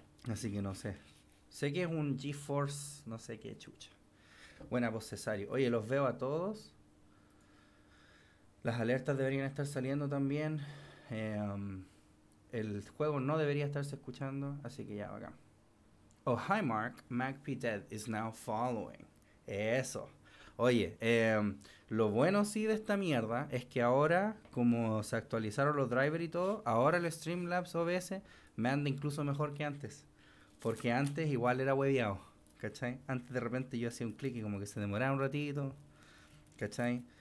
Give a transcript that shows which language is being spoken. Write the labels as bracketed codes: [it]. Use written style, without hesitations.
[es] Así que no sé. Sé que es un GeForce, no sé qué chucha. Buena voz, Cesario. Oye, los veo a todos. Las alertas deberían estar saliendo también. El juego no debería estarse escuchando, así que ya, acá. [en] Oh, hi Mark. MacP Dead is now following. [es] Eso. Oye, lo bueno sí de esta mierda es que ahora, como se actualizaron los drivers y todo, ahora el Streamlabs OBS me anda incluso mejor que antes. Porque antes igual era hueveado, ¿cachai? Antes de repente yo hacía un clic y como que se demoraba un ratito, ¿cachai?